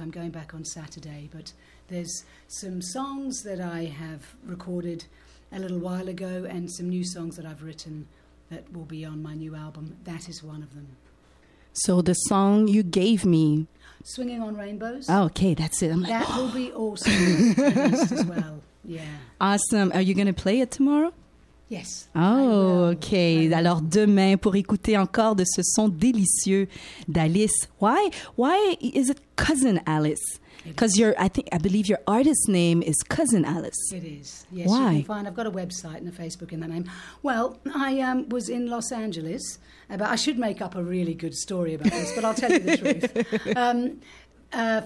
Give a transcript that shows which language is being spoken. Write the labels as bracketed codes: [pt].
[en] I'm going back on Saturday, but there's some songs that I have recorded a little while ago and some new songs that I've written that will be on my new album. That is one of them. So the song you gave me... Swinging on Rainbows. Oh, okay, that's it. I'm like, that will be awesome released as well. Yeah. Awesome. Are you going to play it tomorrow? Yes. Oh, OK. [fr] Alors demain, pour écouter encore de ce son délicieux d'Alice. [en] Why is it Cousin Alice? Because I believe your artist name is Cousin Alice. It is. Yes, why? You can find, I've got a website and a Facebook in that name. Well, I was in Los Angeles. I should make up a really good story about this, but I'll tell you the truth.